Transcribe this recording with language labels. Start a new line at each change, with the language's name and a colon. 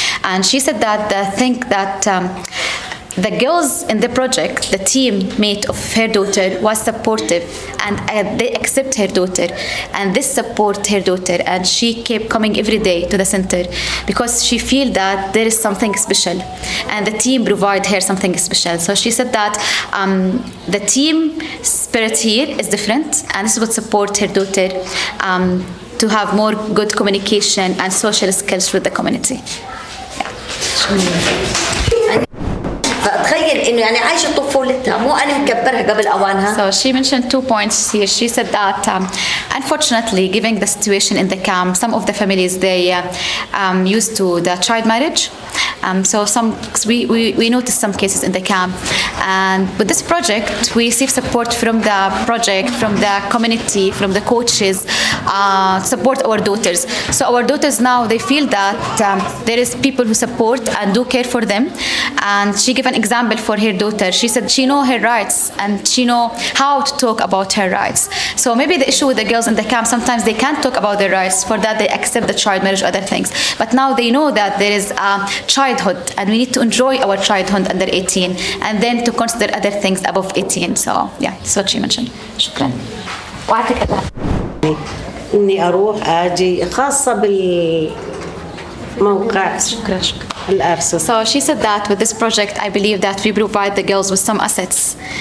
English: And she said that the thing that the girls in the project, the teammate of her daughter, was supportive and they accept her daughter and this support her daughter and she kept coming every day to the center because she feel that there is something special and the team provide her something special. So she said that the team spirit here is different and this is what support her daughter to have more good communication and social skills with the community. Yeah.
Arabic: إنه يعني عايشة طفولتها مو أنا مكبرها قبل أوانها.
English: So she mentioned 2 points here. She said that unfortunately, given the situation in the camp, some of the families they used to the child marriage. So some we noticed some cases in the camp. And with this project, we receive support from the project, from the community, from the coaches, support our daughters. So our daughters now, they feel that there is people who support and do care for them. And she gave an example for her daughter. She said she know her rights and she know how to talk about her rights. So maybe the issue with the girls in the camp, sometimes they can't talk about their rights. For that, they accept the child marriage, other things. But now they know that there is a childhood and we need to enjoy our childhood under 18. And then to consider other things above 18. So yeah, that's what she mentioned.
Arabic: Shukran. وعطيك الله. إني أروح أجي خاصة بالموقع. شكراً شكراً. الأرسل.
English: So she said that with this project, I believe that we provide the girls with some assets.